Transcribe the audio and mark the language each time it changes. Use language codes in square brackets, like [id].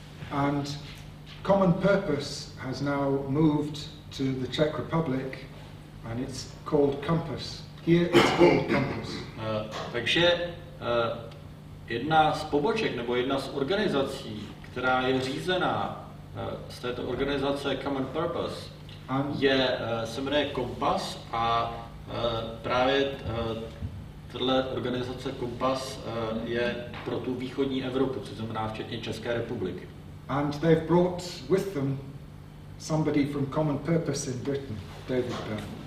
[en] And common purpose has now moved to the Czech Republic and it's called Compass. Here it's called Compass. [cs] Takže jedna z poboček nebo jedna z organizací, která je řízená z této organizace Common Purpose, je, se jmenuje Kompas a právě tato organizace Kompas je pro tu východní Evropu, co znamená včetně České republiky. [en] And they've brought with them somebody from Common Purpose in Britain, David Brown.